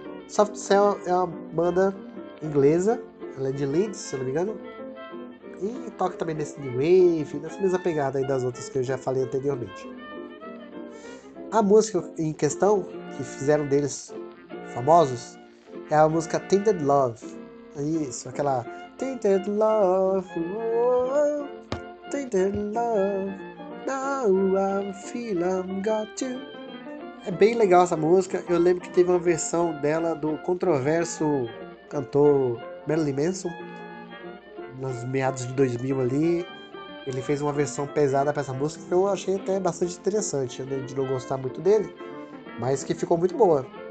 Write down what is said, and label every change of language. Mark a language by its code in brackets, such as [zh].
[pt] Soft Cell é uma banda inglesa, ela é de Leeds, se não me engano, e toca também nesse New Wave, nessa mesma pegada aí das outras que eu já falei anteriormente. A música em questão, que fizeram deles famosos, é a música Tainted Love. Isso, aquela Tainted Love, [en] oh, Tainted Love, now I feel I'm got you. [pt] É bem legal essa música. Eu lembro que teve uma versão dela do controverso cantor Marilyn Manson, nos meados de 2000 ali. Ele fez uma versão pesada para essa música que eu achei até bastante interessante, né, de não gostar muito dele, mas que ficou muito boa.